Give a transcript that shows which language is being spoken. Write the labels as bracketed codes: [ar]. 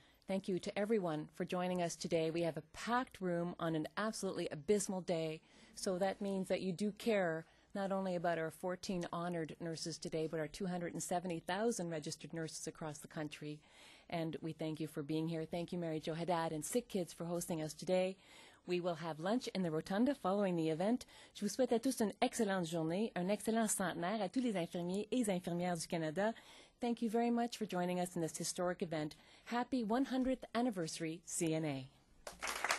[en] Thank you to everyone for joining us today. We have a packed room on an absolutely abysmal day, so that means that you do care not only about our 14 honored nurses today, but our 270,000 registered nurses across the country. And we thank you for being here. Thank you, Mary Jo Haddad and SickKids for hosting us today. We will have lunch in the rotunda following the event. [fr] Je vous souhaite à tous une excellente journée, un excellent centenaire à tous les infirmiers et les infirmières du Canada. [en] Thank you very much for joining us in this historic event. Happy 100th anniversary, CNA.